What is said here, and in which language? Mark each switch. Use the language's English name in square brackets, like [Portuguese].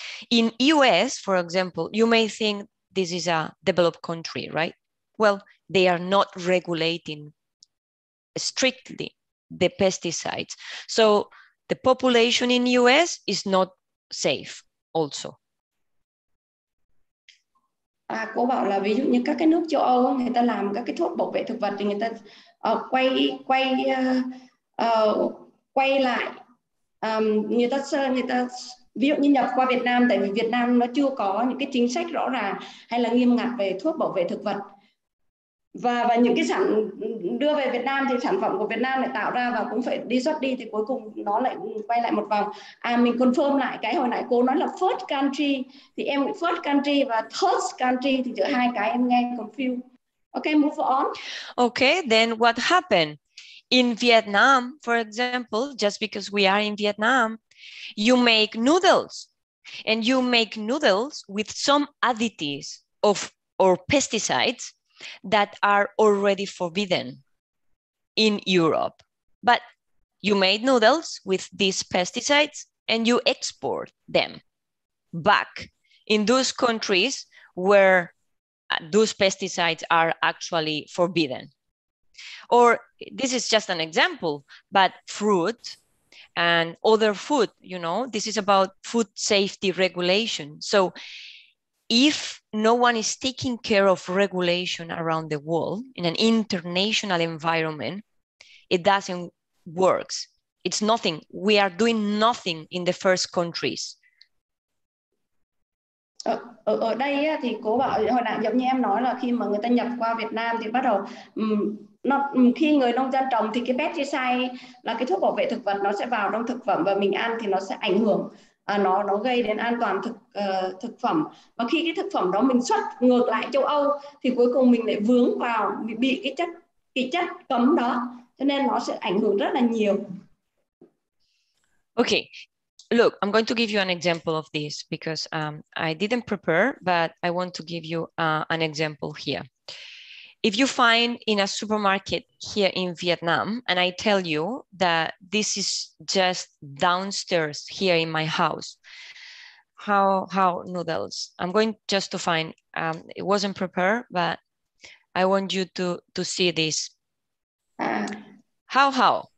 [English] In US, for example, you may think this is a developed country, right? Well, they are not regulating strictly the pesticides. So the population in US is not safe also. [Vietnamese] À, cô bảo là ví dụ như các cái nước châu Âu người ta làm các cái thuốc bảo vệ thực vật thì người ta quay lại người ta ví dụ như nhập qua Việt Nam, tại vì Việt Nam nó chưa có những cái chính sách rõ ràng hay là nghiêm ngặt về thuốc bảo vệ thực vật, và những cái sản đưa về Việt Nam thì sản phẩm của Việt Nam lại tạo ra và cũng phải đi xuất đi, thì cuối cùng nó lại quay lại một vòng. À, mình confirm lại cái hồi nãy cô nói là [English] first country, [Vietnamese] thì em first country và [English] third country [Vietnamese] thì giữa hai cái em nghe confused. [English] Okay, move on. Okay, then what happened in Vietnam, for example, just because we are in Vietnam, you make noodles, and you make noodles with some additives of or pesticides that are already forbidden in Europe. But you made noodles with these pesticides and you export them back in those countries where those pesticides are actually forbidden. Or this is just an example, but fruit and other food, you know, this is about food safety regulation. So if no one is taking care of regulation around the world in an international environment, it doesn't work. It's nothing. We are doing nothing in the first countries. [Vietnamese] Ở đây á, thì cô bảo hồi nãy giống như em nói là khi mà người ta nhập qua Việt Nam thì bắt đầu nó, khi người nông dân trồng thì cái pesticide là cái thuốc bảo vệ thực vật nó sẽ vào trong thực phẩm và mình ăn thì nó sẽ ảnh hưởng. Nó gây đến an toàn thực phẩm. Và khi cái thực phẩm đó mình xuất ngược lại châu Âu thì cuối cùng mình lại vướng vào bị cái chất cấm đó, cho nên nó sẽ ảnh hưởng rất là nhiều. [English] Okay, look, I'm going to give you an example of this because I didn't prepare, but I want to give you an example here. If you find in a supermarket here in Vietnam, and I tell you that this is just downstairs here in my house, how noodles, I'm going just to find, it wasn't prepared, but I want you to see this. How?